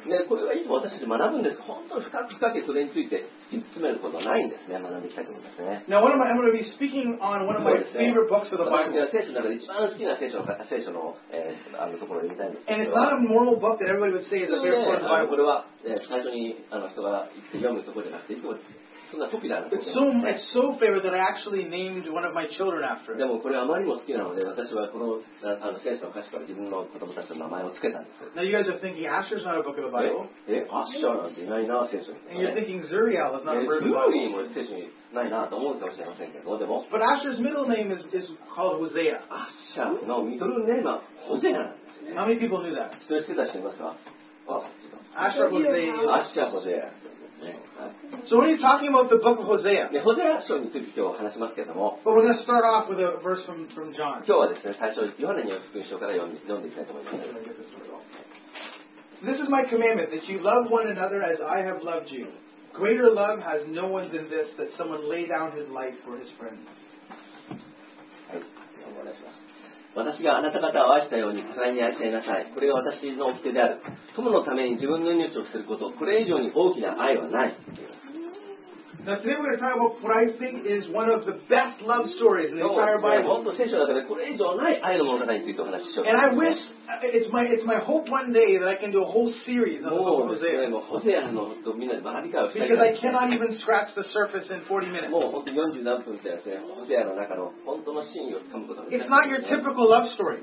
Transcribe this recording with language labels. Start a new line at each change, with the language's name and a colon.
English: Now, I'm going to be speaking on one of my favorite books of the Bible. And it's not a normal book that everybody would say is a favorite book of the Bible.
Japanese: そんなトピなの。
English: It's so favorite that I actually named one of my children after it.
Japanese: でもこれあまりにも好きなので、私はこの聖書の歌詞から自分の子供たちの名前を付けたんです。
English: Now you guys are thinking Asher's not a book of the Bible.
Japanese: え、アッシャーなんていないな、聖書に。
English: And you're thinking Zuriel is not a book of the Bible.
Japanese: Zuriel も聖書にないなと思うかもしれませんけど、でも。
English: But Asher's middle name is called Hosea.
Japanese: アッシャーのミドルネームはホゼアなんですね。
English: How many people knew that?
Japanese: 知ってた人いますか？
English: So when you're talking about the book of Hosea,
Japanese: Hosea 書について今日話しますけども、
English: but we're going to start off with a verse from John.
Japanese: 今日はですね、最初ヨハネによる福音書から読んでいきたいと思います。
English: This is my commandment that you love one another as I have loved you. Greater love has no one than this that someone lay down his life for his friends.
Japanese: はい、お願いします。私があなた方を愛したように互いに愛し合いなさい。これが私の掟である。友のために自分の命を捨てること、これ以上に大きな愛はない。
English: Now today we're going to talk about what I think is one of the best love stories in the entire Bible. And I wish it's my hope one day that I can do a whole series on Hosea. Because I cannot even scratch the surface in 40 minutes. It's not your typical love story.